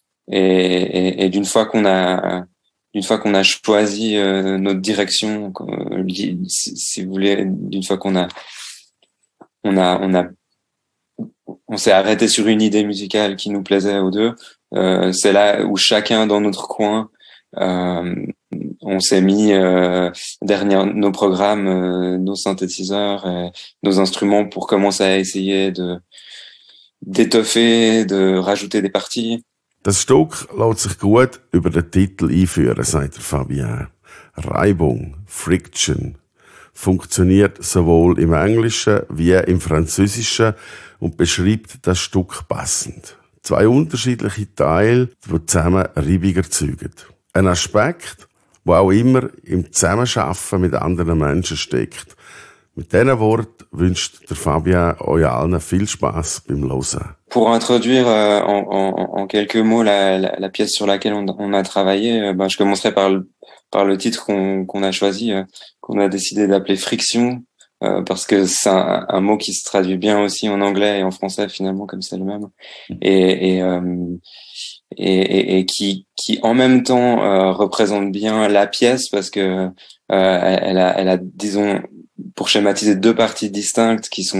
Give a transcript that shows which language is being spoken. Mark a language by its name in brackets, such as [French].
[French] Et d'une fois qu'on a choisi notre direction, si vous voulez, d'une fois on s'est arrêté sur une idée musicale qui nous plaisait aux deux, c'est là où chacun dans notre coin, on s'est mis derrière nos programmes, nos synthétiseurs et nos instruments pour commencer à essayer d'étoffer, de rajouter des parties. [German] Das Stück lässt sich gut über den Titel einführen, sagt Fabien. Reibung, Friction, funktioniert sowohl im Englischen wie im Französischen und beschreibt das Stück passend. Zwei unterschiedliche Teile, die zusammen reibig erzeugen. Ein Aspekt, der auch immer im Zusammenarbeiten mit anderen Menschen steckt. Mit diesen Worten wünscht der Fabien euch allen viel Spass beim Hören. [French] Pour introduire en quelques mots la pièce sur laquelle on a travaillé, ben je commencerai par le titre qu'on a choisi, qu'on a décidé d'appeler Friction, parce que c'est un mot qui se traduit bien aussi en anglais et en français finalement comme c'est le même, et qui en même temps représente bien la pièce parce que elle a disons pour schématiser deux parties distinctes